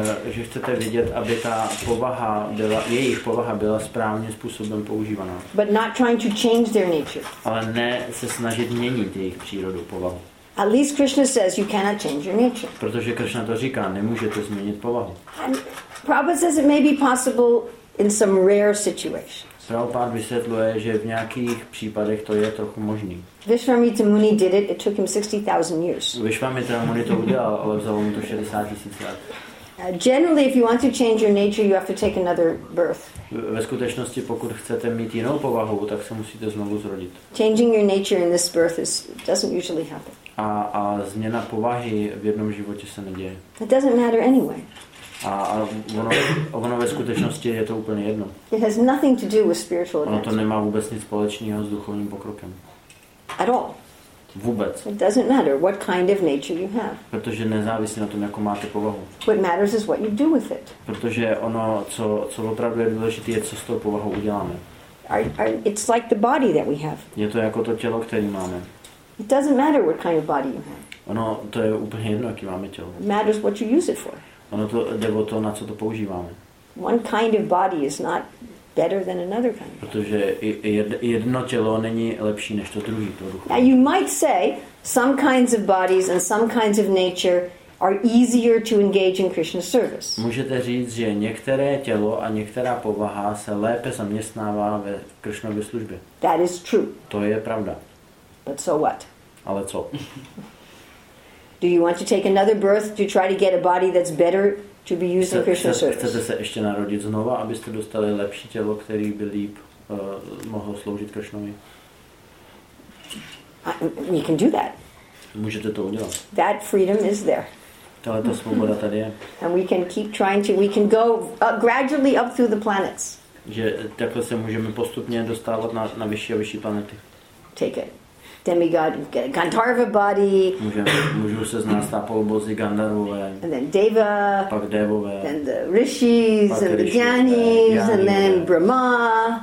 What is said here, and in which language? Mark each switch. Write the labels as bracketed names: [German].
[Czech] Že chcete vidět, aby ta povaha byla, jejich povaha byla správným způsobem používaná. [English] But not trying to change their nature. [Czech] Ale ne se snažit měnit jejich přírodu, povahu. [English] At least Krishna says you cannot change your nature. [Czech] Protože Krishna to říká, nemůžete změnit povahu. [English] And Prabhupada says it may be possible in some rare situations. [Czech] Prabhupada vysvětluje, že v nějakých případech to je trochu možný. [English] Vishwamitra Muni did it. It took him 60,000 years. [Czech] Vishwamitra Muni to udělal, ale vzalo mu to 60,000 let. [English] Generally, if you want to change your nature, you have to take another birth. [Czech] Ve skutečnosti, pokud chcete mít jinou povahu, tak se musíte znovu zrodit. [English] Changing your nature in this birth is doesn't usually happen. [Czech] A změna povahy v jednom životě se neděje. [English] It doesn't matter anyway. [Czech] A ono ve skutečnosti je to úplně jedno. [English] It has nothing to do with spiritual advancement. [Czech] Ono to nemá vůbec nic společného s duchovním pokrokem. [English] At all. [Czech] Vůbec. [English] It doesn't matter what kind of nature you have. [Czech] Protože nezávisí na tom, jakou máte povahu. [English] What matters is what you do with it. [Czech] Protože ono, co opravdu je důležité, je co s tou povahou uděláme. [English] It's like the body that we have. [Czech] Je to jako to tělo, které máme. [English] It doesn't matter what kind of body you have. [Czech] Ono to je úplně jedno, jaký máme tělo. [English] It matters what you use it for. [Czech] Ono to jde o to, na co to používáme. [English] One kind of body is not better than another kind. [Czech] Protože jedno tělo není lepší než to druhý. [English] Now you might say some kinds of bodies and some kinds of nature are easier to engage in Krishna service. [Czech] Můžete říct, že některé tělo a některá povaha se lépe zaměstnává ve Krishnově službě. [English] That is true. [Czech] To je pravda. [English] But so what? [Czech] Ale co? [English] Do you want to take another birth to try to get a body that's better to be used in Krishna service? [Czech] Chcete se ještě narodit znova, abyste dostali lepší tělo, které by líp mohlo sloužit Krishnovi? [English] You can do that. [Czech] Můžete to udělat. [English] That freedom is there. [Czech] Tohle ta svoboda tady je. [English] And we can keep trying to, we can go gradually up through the planets. [Czech] Že takhle se můžeme postupně dostávat na vyšší a vyšší planety. [English] Take it. Demigod, Gandharva body. [Czech] Můžu se znát stápou bozy Gandharvové. [English] And then Deva. [Czech] Pak Devové. [English] Then the Rishis and the Jnanis. And then Brahma.